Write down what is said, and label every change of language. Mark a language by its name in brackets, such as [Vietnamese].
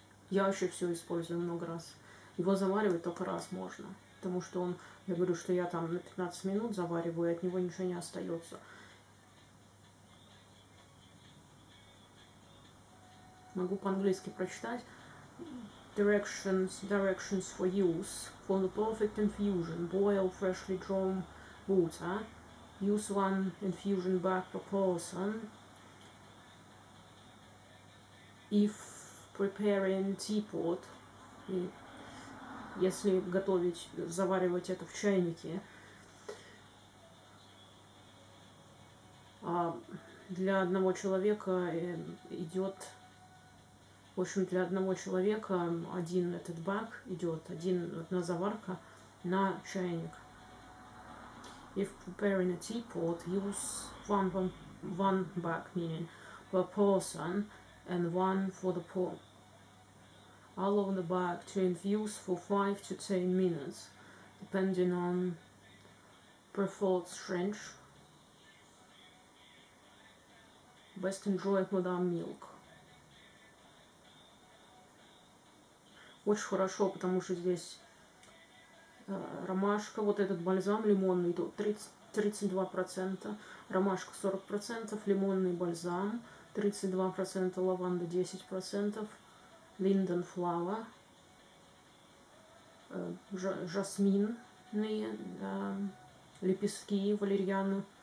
[Russian] Я вообще все использую много раз. Его заваривать только раз можно. Потому что он, я говорю, что я там на 15 минут завариваю, и от него ничего не остается. Могу по-английски прочитать. [English] Directions for use. For the perfect infusion, boil freshly drawn water. Use one infusion bag per person. If preparing teapot, [Russian] если готовить, заваривать это в чайнике, для одного человека идет... В общем, для одного человека один этот бак идет, одна заварка на чайник. [English] If preparing a teapot, use one bag, meaning per person, and one for the pot. Allow the bag to infuse for 5-10 minutes, depending on preferred strength. Best enjoy it with our milk. [Russian] Очень хорошо, потому что здесь ромашка, вот этот бальзам лимонный, 32%, ромашка 40%, лимонный бальзам 32%, лаванда 10%, линден флава, жасминные лепестки, валерьяна